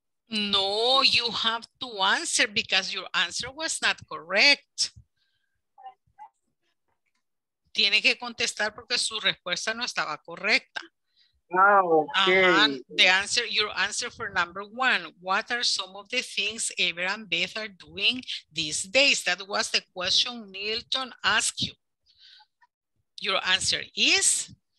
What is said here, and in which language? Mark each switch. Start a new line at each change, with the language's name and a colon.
English: No, you have to answer because your answer was not correct.
Spanish: Tiene que contestar porque su respuesta no estaba correcta. Ah, okay.
English: Your answer for number one, what are some of the things Ever and Beth are doing these days? That was the question Nilton asked you. Your answer is?